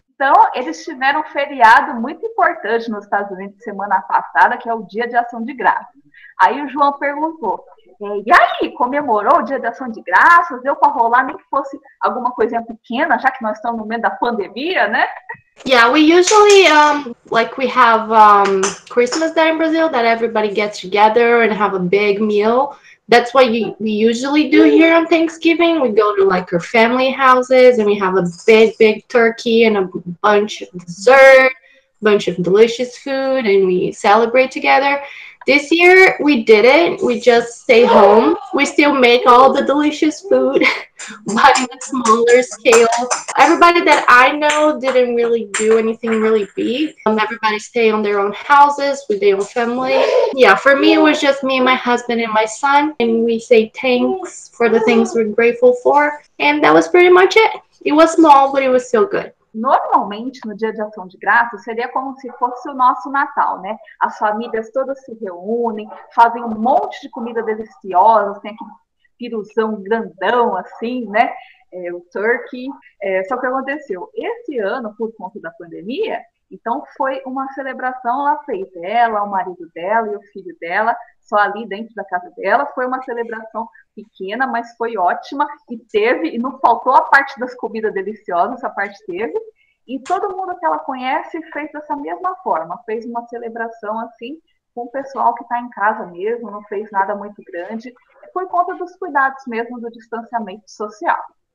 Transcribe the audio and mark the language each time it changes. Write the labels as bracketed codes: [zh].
[pt] Então, eles tiveram um feriado muito importante nos Estados Unidos semana passada, que é o Dia de Ação de Graças. Aí o João perguntou, e aí, comemorou o Dia de Ação de Graças? Deu para rolar nem que fosse alguma coisinha pequena, já que nós estamos no meio da pandemia, né? [en] Yeah, we usually, like we have Christmas there in Brazil, that everybody gets together and have a big meal. That's what we usually do here on Thanksgiving. We go to like our family houses and we have a big, big turkey and a bunch of dessert, bunch of delicious food, and we celebrate together. This year we didn't. We just stay home. We still make all the delicious food, but in a smaller scale. Everybody that I know didn't really do anything really big. Everybody stay on their own houses with their own family. Yeah, for me it was just me, my husband, and my son, and we say thanks for the things we're grateful for, and that was pretty much it. It was small, but it was still good. [pt] Normalmente, no Dia de Ação de Graças, seria como se fosse o nosso Natal, né? As famílias todas se reúnem, fazem um monte de comida deliciosa, tem aquele piruzão grandão, assim, né? O turkey. Só que aconteceu, esse ano, por conta da pandemia, então foi uma celebração, ela fez, ela, o marido dela e o filho dela, só ali dentro da casa dela, foi uma celebração pequena, mas foi ótima, e teve, e não faltou a parte das comidas deliciosas, essa parte teve, e todo mundo que ela conhece fez dessa mesma forma, fez uma celebração assim, com o pessoal que está em casa mesmo, não fez nada muito grande, por conta dos cuidados mesmo, do distanciamento social.